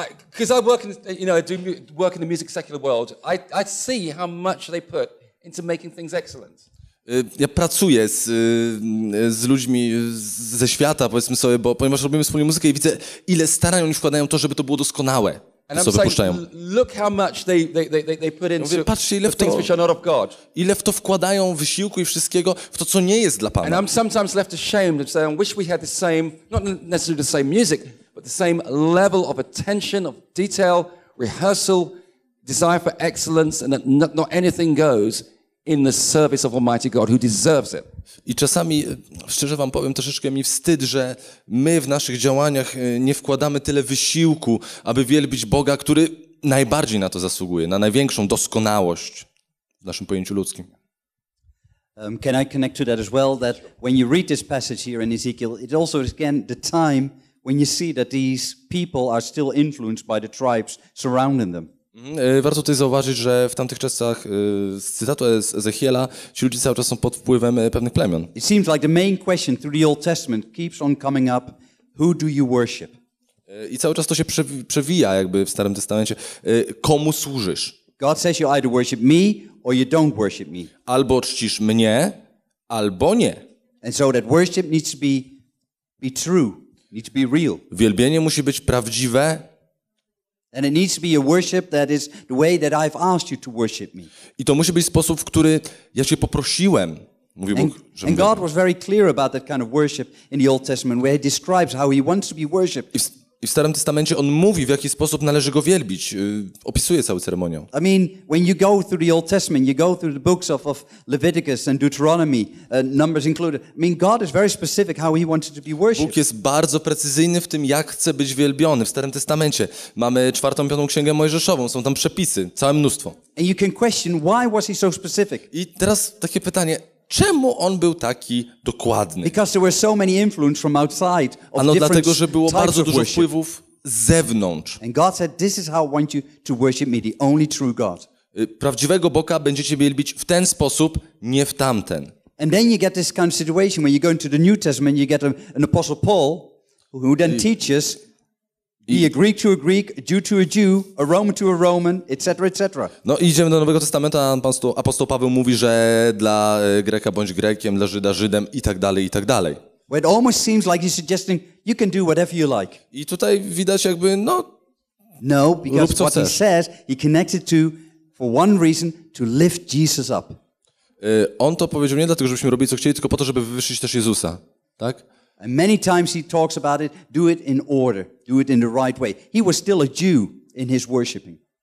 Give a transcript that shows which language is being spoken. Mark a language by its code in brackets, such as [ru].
[en] Because I work in, you know, I do work in the music secular world. I see how much they put into making things excellent. [pl] Ja pracuję z ludźmi ze świata, powiedzmy sobie, bo ponieważ robimy wspólnie muzykę, i widzę, ile starają oni wkładają to, żeby to było doskonałe. [en] And I'm [pl] wypuszczają. [en] Saying, look how much they put into. [pl] Ja mówię, patrzcie, ile w to, [en] things which are not of God. [pl] Ile w to wkładają wysiłku i wszystkiego w to, co nie jest dla Pana. [en] And I'm sometimes left ashamed and say, I wish we had the same, not necessarily the same music. But the same level of attention, of detail, rehearsal, desire for excellence and that not anything goes in the service of Almighty God who deserves it. [pl] I czasami, szczerze wam powiem, troszeczkę mi wstyd, że my w naszych działaniach nie wkładamy tyle wysiłku, aby wielbić Boga, który najbardziej na to zasługuje, na największą doskonałość w naszym pojęciu ludzkim. [en] Can I connect to that as well, that when you read this passage here in Ezekiel, it also is again the time when you see that these people are still influenced by the tribes surrounding them. [pl] Warto tutaj zauważyć, że w tamtych czasach, z cytatu z Ezechiela, ci ludzie cały czas są pod wpływem pewnych plemion. [en] It seems like the main question through the Old Testament keeps on coming up, who do you worship? [pl] I cały czas to się przewija jakby w Starym Testamencie. Komu służysz? [en] God says you either worship me or you don't worship me. [pl] Albo czcisz mnie, albo nie. [en] And so that worship needs to be true, needs to be real. [pl] Wielbienie musi być prawdziwe. [en] And it needs to be a worship that is the way that I've asked you to worship me. [pl] I to musi być sposób, w który ja cię poprosiłem, mówi Bóg, żebym. [en] And God was very clear about that kind of worship in the Old Testament, where he describes how he wants to be worshipped. [pl] I w Starym Testamencie on mówi, w jaki sposób należy go wielbić. Opisuje cały ceremonię. [en] I mean, when you go through the Old Testament, you go through the books of Leviticus and Deuteronomy, Numbers included. I mean, God is very specific how he wants to be worshipped. [pl] Bóg jest bardzo precyzyjny w tym, jak chce być wielbiony. W Starym Testamencie mamy czwartą, piątą księgę Mojżeszową. Są tam przepisy, całe mnóstwo. [en] And you can question, why was he so specific? [pl] I teraz takie pytanie. Czemu on był taki dokładny? [en] Because there were so many influence from outside. [pl] Ano dlatego, że było bardzo dużo wpływów z zewnątrz. [en] And God said, "This is how I want you to worship me, the only true God." [pl] Prawdziwego Boga będziecie wielbić w ten sposób, nie w tamten. [en] And then you get this kind of situation when you go into the New Testament, you get an apostle Paul, who then teaches. Be a Greek to a Greek, a Jew to a Jew, a Roman to a Roman, etc., etc. [pl] No idziemy do Nowego Testamentu, a apostoł Paweł mówi, że dla Greka bądź Grekiem, dla Żyda Żydem i tak dalej, i tak dalej. [en] Where it almost seems like he's suggesting you can do whatever you like. [pl] I tutaj widać jakby, no, [en] no, because what [pl] chcesz. [en] He says, he connected to, for one reason, to lift Jesus up. [pl] On to powiedział nie dlatego, żebyśmy robili co chcieli, tylko po to, żeby wywyższyć też Jezusa, tak? [en] And many times he talks about it, do it in order, do it in the right way. He was still a Jew in his worshiping.